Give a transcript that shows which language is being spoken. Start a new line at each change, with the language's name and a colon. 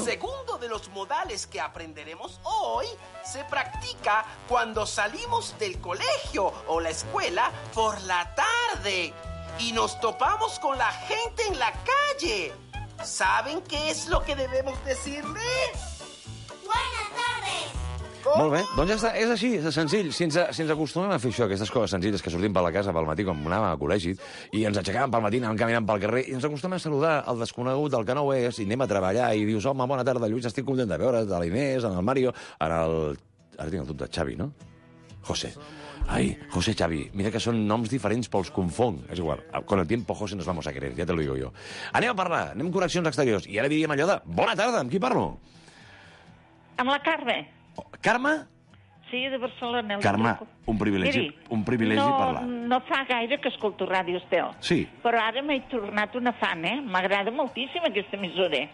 Spanish: El segundo de los modales que aprenderemos hoy se practica cuando salimos del colegio o la escuela por la tarde y nos topamos con la gente en la calle. ¿Saben qué es lo que debemos decirle? ¡Buenas tardes!
Catalan: ¿Cómo? Molt bé, doncs ja està. És així, és senzill. Si ens acostumem a fer això, aquestes coses senzilles que sortim per la casa pel matí quan anàvem a col·legi i ens aixecàvem pel matí, anàvem caminant pel carrer i ens acostumem a saludar el desconegut, el que no ho és, i anem a treballar i dius, home, bona tarda, Lluís, estic content de veure't, a l'Inés, en el Mario, en el... Ara tinc el dubte, Xavi, no? José. Ai, José Xavi, mira que són noms diferents pels confong. És igual,
Spanish: con el tiempo José nos vamos a querer, ja te lo digo yo.
Catalan: Anem a parlar, anem a connexions exteriors. I ara diríem allò de bona tarda, amb qui parlo? Amb la Carme. Oh, Carme? Sí, de Barcelona. Carme, un privilegi, miri, un privilegi no, parlar. No fa gaire que escolto Ràdio Esteu. Sí. Però ara m'he tornat una fan, eh? M'agrada moltíssim aquesta emissora.